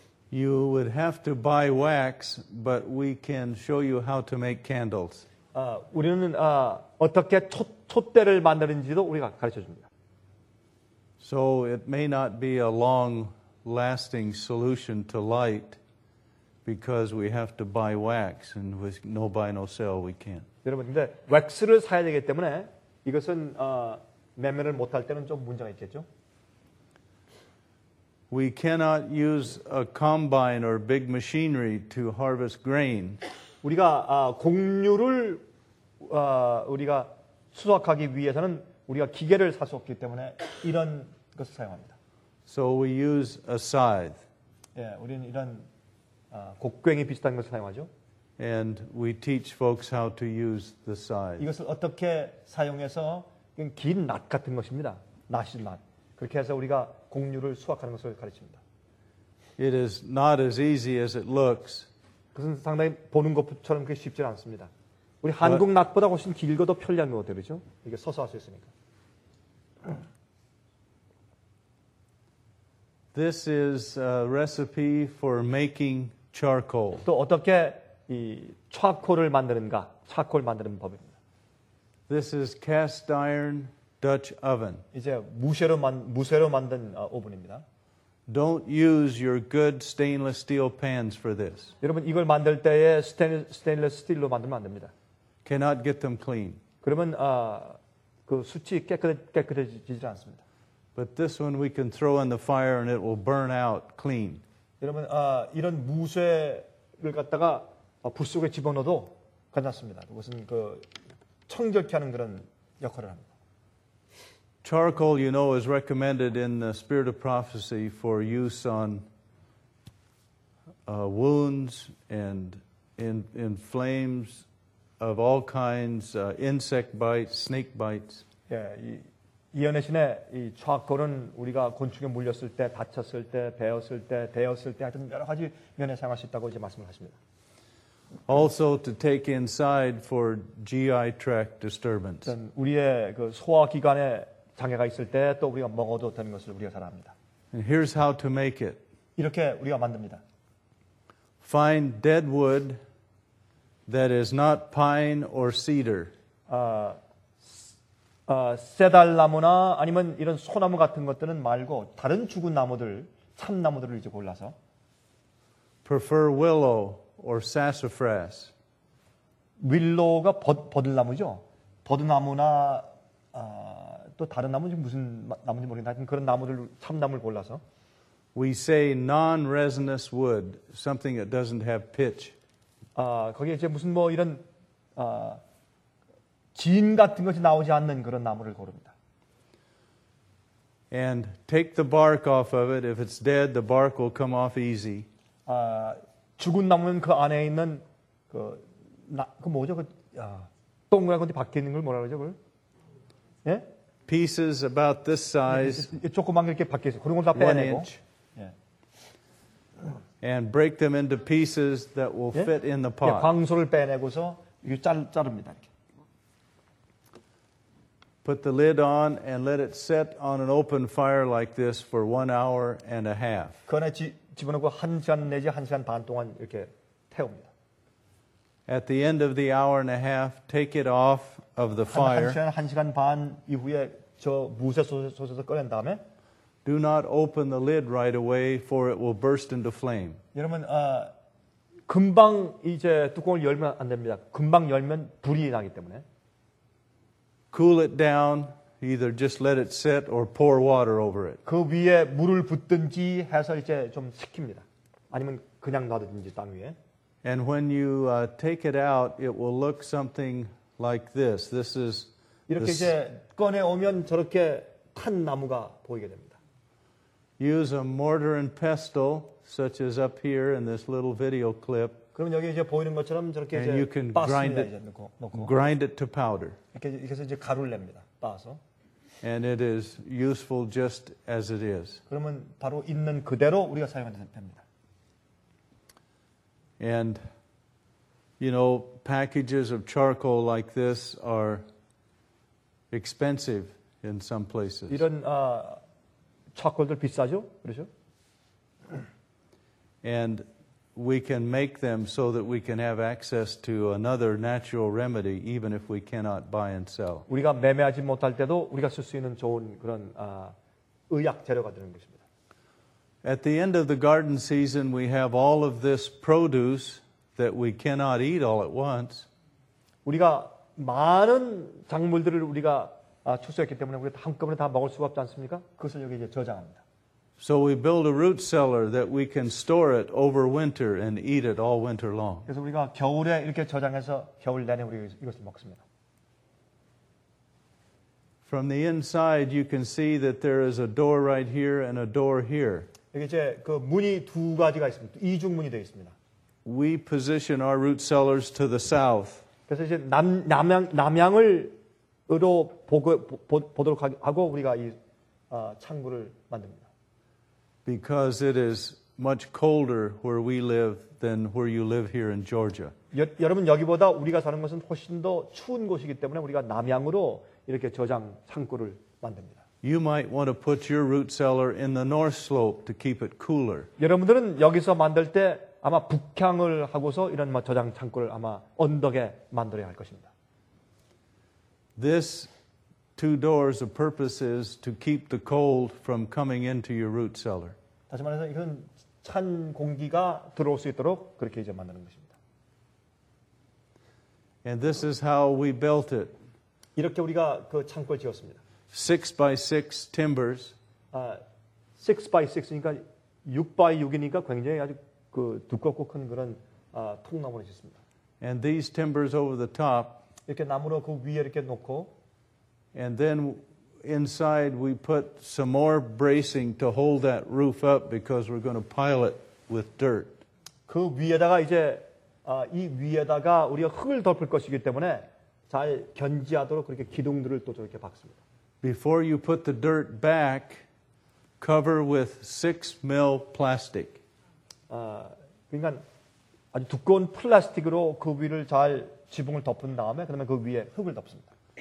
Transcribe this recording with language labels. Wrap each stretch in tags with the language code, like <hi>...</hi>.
<en>You would have to buy wax, but we can show you how to make candles.</en> <ko>우리는 어떻게 촛대를 만드는지도 우리가 가르쳐 줍니다.</ko> <en>So it may not be a long-lasting solution to light because we have to buy wax and with no buy no sell we can't.</en> <ko>여러분, 근데 왁스를 사야 되기 때문에 이것은 매매를 못할 때는 좀 문제가 있겠죠.</ko> <en>We cannot use a combine or big machinery to harvest grain.</en> <ko>우리가 곡류를 우리가 수확하기 위해서는 우리가 기계를 살 수 없기 때문에 이런 것을 사용합니다.</ko> <en>So we use a scythe.</en> <ko>예, 우리는 이런 곡괭이 비슷한 것을 사용하죠.</ko> <en>And we teach folks how to use the scythe.</en> <ko>이것을 어떻게 사용해서 긴 낫 같은 것입니다. 낫이 낫. 그렇게 해서 우리가 곡류를 수확하는 것을 가르칩니다.</ko> <en>It is not as easy as it looks.</en> <ko>그것은 상당히 보는 것처럼 그게 쉽지 않습니다. 우리 한국 낫보다 훨씬 길고 더 편리한 것들이죠. 이게 서서 할 수 있으니까.</ko> <en>This is a recipe for making charcoal.</en> <ko>또 어떻게 이 차콜을 만드는가? 차콜 만드는 법입니다.</ko> <en>This is cast iron. Dutch oven.</en> <ko>이제 무쇠로 만든 오븐입니다.</ko> <en>Don't use your good stainless steel pans for this.</en> <ko>여러분 이걸 만들 때에 스테인리스 스틸로 만들면 안 됩니다.</ko> <en>Cannot get them clean.</en> <ko>그러면 그 숯이 깨끗해지지 않습니다.</ko> <en>But this one we can throw in the fire and it will burn out clean.</en> <ko>여러분 이런 무쇠를 갖다가 불 속에 집어넣어도 괜찮습니다. 그것은 그 청결케 하는 그런 역할을 합니다.</ko> <en>Charcoal, you know, is recommended in the spirit of prophecy for use on wounds and in flames of all kinds, insect bites, snake bites.</en> <ko>Yeah, 이연의 신의 이 charcoal은 우리가 곤충에 물렸을 때, 다쳤을 때, 베었을 때, 데였을 때 하여튼 여러 가지 면에 사용할 수 있다고 이제 말씀을 하십니다.</ko> <en>Also to take inside for GI tract disturbance.</en> <ko>우리의 그 소화 기관에 장애가 있을 때 또 우리가 먹어도 되는 것을 우리가 잘 압니다.</ko> <en>And here's how to make it.</en> <ko>이렇게 우리가 만듭니다.</ko> <en>Find dead wood that is not pine or cedar.</en> <ko>쇠달나무나 아니면 이런 소나무 같은 것들은 말고 다른 죽은 나무들, 참나무들을 이제 골라서</ko> <en>prefer willow or sassafras.</en> <ko>윌로우가 버들나무죠. 버드나무나 또 다른 나무 지금 무슨 나무인지 모르겠는데 그런 나무들 참나무를 골라서</ko> <en>we say non-resinous wood something that doesn't have pitch</en> <ko>거기에 이제 무슨 뭐 이런 진 같은 것이 나오지 않는 그런 나무를 고릅니다.</ko> <en>And take the bark off of it if it's dead the bark will come off easy.</en> <ko>죽은 나무는 그 안에 있는 그 나 그 뭐죠 그 동그란 건데 밖에 있는 걸 뭐라 그러죠 그걸 예?</ko> <en>Pieces about this size.</en> <ko>조그만 이렇게 밖에 있어. 그런 걸 다 빼내고.</ko> <en>Inch, and break them into pieces that will fit in the pot.</en> <ko>광소를 빼내고서 자릅니다. 이렇게.</ko> <en>Put the lid on and let it set on an open fire like this for 1 hour and a half.</en> <ko>그 안에 집어넣고 한 시간 내지 한 시간 반 동안 이렇게 태웁니다.</ko> <en>At the end of the hour and a half, take it off of the fire.</en> <ko>한 시간 반 이후에 저 무쇠 솥에서 꺼낸 다음에</ko> <en>Do not open the lid right away for it will burst into flame.</en> <ko>여러분, 금방 이제 뚜껑을 열면 안 됩니다. 금방 열면 불이 나기 때문에</ko> <en>Cool it down, either just let it sit or pour water over it.</en> <ko>그 위에 물을 붓든지 해서 이제 좀 식힙니다. 아니면 그냥 놔두든지 땅 위에</ko> <en>And when you take it out, it will look something like this. This is</en> <ko>이렇게 이제 꺼내 오면 저렇게 탄 나무가 보이게 됩니다.</ko> <en>use a mortar and pestle, such as up here in this little video clip.</en> <ko>그럼 여기 이제 보이는 것처럼 저렇게 이제</ko> <en>grind it to powder.</en> <ko>이렇게 해서 이제 가루를 냅니다. 빻아서.</ko> <en>And it is useful just as it is.</en> <ko>그러면 바로 있는 그대로 우리가 사용하면 됩니다.</ko> <en>And you know, packages of charcoal like this are expensive in some places.</en> <ko>이런 charcoal들 비싸죠? 그렇죠?</ko> <en>And we can make them so that we can have access to another natural remedy even if we cannot buy and sell.</en> <ko>우리가 매매하지 못할 때도 우리가 쓸 수 있는 좋은 그런 의약 재료가 되는 것입니다.</ko> <en>At the end of the garden season, we have all of this produce that we cannot eat all at once.</en> <ko>우리가 많은 작물들을 우리가 추수했기 때문에 우리가 한꺼번에 다 먹을 수가 없지 않습니까? 그것을 여기 이제 저장합니다.</ko> <en>So we build a root cellar that we can store it over winter and eat it all winter long.</en> <ko>그래서 우리가 겨울에 이렇게 저장해서 겨울 내내 우리 이것을 먹습니다.</ko> <en>From the inside, you can see that there is a door right here and a door here.</en> <ko>여기 이제 그 문이 두 가지가 있습니다. 이중 문이 되어 있습니다.</ko> <en>We position our root cellars to the south.</en> <ko>그래서 이제 남향을 으로 보도록 하고 우리가 이 창구를 만듭니다.</ko> <en>Because it is much colder where we live than where you live here in Georgia.</en> <ko>여러분 여기보다 우리가 사는 것은 훨씬 더 추운 곳이기 때문에 우리가 남향으로 이렇게 저장 창고를 만듭니다.</ko> <en>You might want to put your root cellar in the north slope to keep it cooler.</en> <ko>여러분들은 여기서 만들 때 아마 북향을 하고서 이런 저장 창고를 아마 언덕에 만들어야 할 것입니다.</ko> <en>This Two doors. The purpose is to keep the cold from coming into your root cellar.</en> <ko>다시 말해서 이건 찬 공기가 들어올 수 있도록 그렇게 이제 만드는 것입니다.</ko> <en>And this is how we built it.</en> <ko>이렇게 우리가 그 창고를 지었습니다.</ko> <en>6x6 timbers.</en> <ko>6x6니까 6x6이니까 굉장히 아주 그 두껍고 큰 그런 통나무를 지었습니다.</ko> <en>And these timbers over the top.</en> <ko>이렇게 나무로 그 위에 이렇게 놓고.</ko> <en>And then inside we put some more bracing to hold that roof up because we're going to pile it with dirt.</en> <ko>그 위에다가 이제 이 위에다가 우리가 흙을 덮을 것이기 때문에 잘 견지하도록 그렇게 기둥들을 또 저렇게 박습니다.</ko> <en>Before you put the dirt back, cover with 6mm plastic.</en> <ko>그러니까 아주 두꺼운 플라스틱으로 그 위를 잘 지붕을 덮은 다음에 그다음에 그 위에 흙을 덮습니다.</ko>